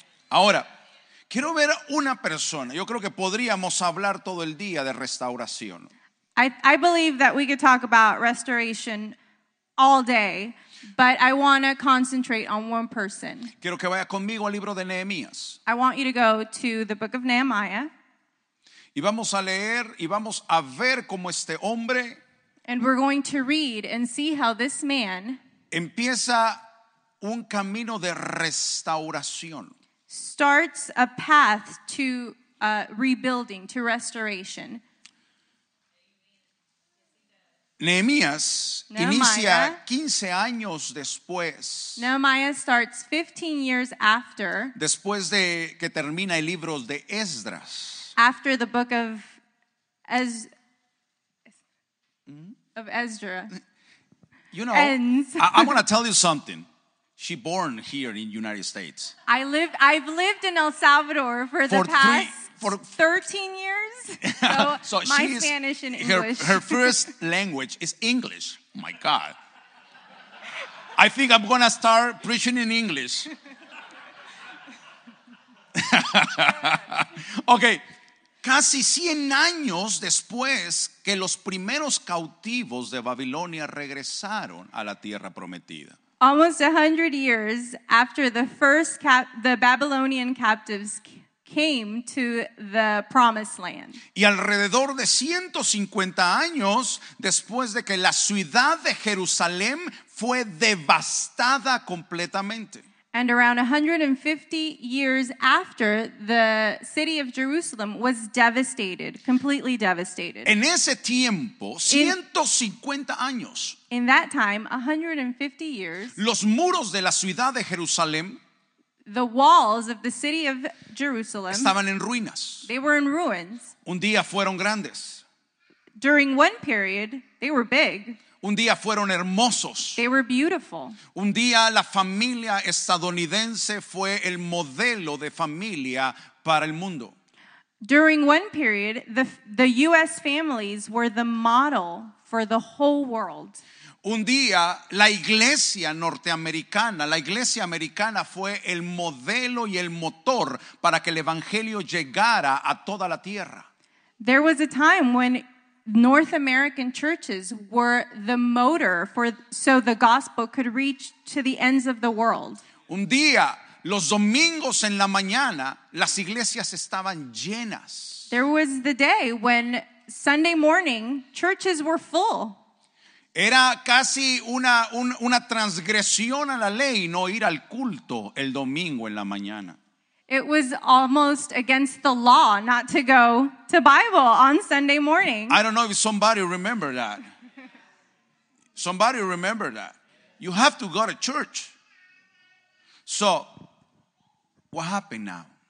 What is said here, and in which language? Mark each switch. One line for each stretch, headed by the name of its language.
Spanish: Ahora, quiero ver una persona. Yo creo que podríamos hablar todo el día de restauración.
English: I believe that we could talk about restoration all day. But I want to concentrate on one person.
Spanish: Quiero que vaya conmigo al libro de Nehemías.
English: I want you to go to the book of Nehemiah.
Spanish: Y vamos a leer y vamos a ver cómo este hombre.
English: And we're going to read and see how this man.
Spanish: Empieza un camino de restauración.
English: Starts a path to rebuilding, to restoration.
Spanish: Nehemías inicia 15 años después.
English: Nehemiah starts 15 years after.
Spanish: Después de que termina el libro de Esdras.
English: After the book of Ezra. You know, ends. I want to tell you something. She born here in United States. I've lived in El Salvador for 13 years. So my Spanish and English. Her first language is English. Oh my God. I think I'm going to start preaching in English. Okay.
Spanish: Casi 100 años después que los primeros cautivos de Babilonia regresaron a la tierra prometida.
English: Almost 100 years after the Babylonian captives came to the promised land.
Spanish: Y alrededor de 150 años después de que la ciudad de Jerusalén fue devastada completamente.
English: And around 150 years after the city of Jerusalem was devastated, completely devastated.
Spanish: En ese tiempo, 150 años.
English: In that time, 150 years.
Spanish: Los muros de la ciudad de Jerusalén.
English: The walls of the city of Jerusalem.
Spanish: Estaban en ruinas.
English: They were in ruins.
Spanish: Un día fueron grandes.
English: During one period, they were big.
Spanish: Un día fueron hermosos.
English: They were beautiful.
Spanish: Un día la familia estadounidense fue el modelo de familia para el mundo.
English: During one period, the U.S. families were the model for the whole world.
Spanish: Un día la iglesia norteamericana, la iglesia americana fue el modelo y el motor para que el evangelio llegara a toda la tierra.
English: There was a time when North American churches were the motor for so the gospel could reach to the ends of the world.
Spanish: Un día, los domingos en la mañana, las iglesias estaban llenas.
English: There was the day when Sunday morning churches were full.
Spanish: Era casi una transgresión a la ley no ir al culto el domingo en la mañana.
English: It was almost against the law not to go to Bible on Sunday morning. I don't know if somebody remember that. Somebody remember that. You have to go to church. So, what happened now?